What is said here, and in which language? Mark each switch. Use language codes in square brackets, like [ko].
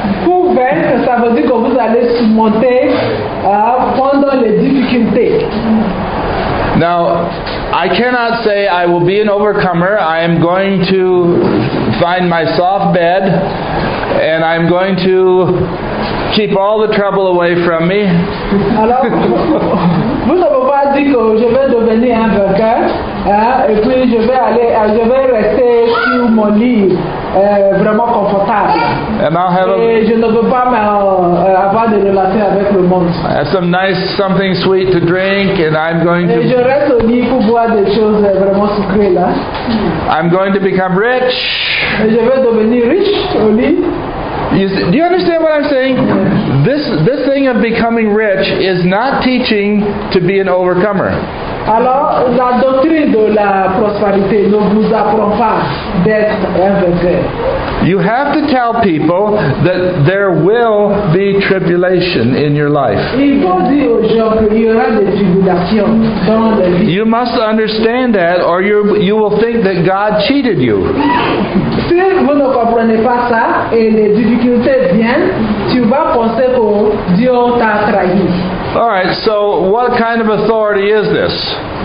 [fr] Pour vaincre, ça veut dire que vous allez surmonter pendant les difficultés. [en] Now, I cannot say I will be an overcomer. I am going to find my soft bed and I'm going to keep all the trouble away from me. [fr] Alors, vous ne pouvez pas dire que je vais devenir un vainqueur. Et puis je vais rester sur mon lit vraiment confortable. [en] And I'll have [fr] et je ne veux pas avoir de relations avec le monde. [en] I have some nice something sweet to drink, and I'm going [fr] et [en] to. [fr] Je reste au lit pour boire des choses vraiment sucrées là. [en] I'm going to become rich. [fr] Et je vais devenir riche au lit. [en] Do you understand what I'm saying? This thing of becoming rich is not teaching to be an overcomer. [fr] Alors, la doctrine de la prospérité ne vous apprend pas d'être un vainqueur. [en] You have to tell people that there will be tribulation in your life. [fr] Il faut dire aux gens qu'il y aura des tribulations dans la vie. [en] You must understand that, or you will think that God cheated you. [fr] Si vous ne comprenez pas ça et les difficultés viennent, tu vas penser que Dieu t'a trahi. [en] All right, so what kind of authority is this?